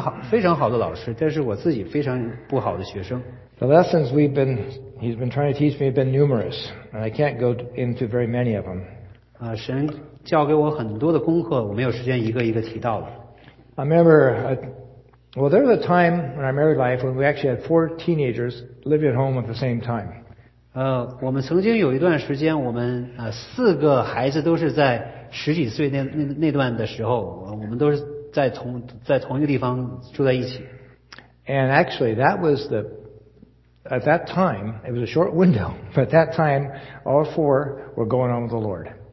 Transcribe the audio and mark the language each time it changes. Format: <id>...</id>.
<zh>我想我们的主是一个非常好的老师，但是我自己非常不好的学生。</zh> <en>The lessons he's been trying to teach me have been numerous, and I can't go into very many of them.</en> <zh>神教给我很多的功课，我没有时间一个一个提到了。</zh> <en>I remember, there was a time in our married life when we actually had four teenagers living at home at the same time.</en> <zh>我们曾经有一段时间，我们四个孩子都是在十几岁那段的时候，我们都是在同一个地方住在一起。</zh> <en>And actually, that was the At that time, it was a short window, but at that time, all four were going on with the Lord.</en>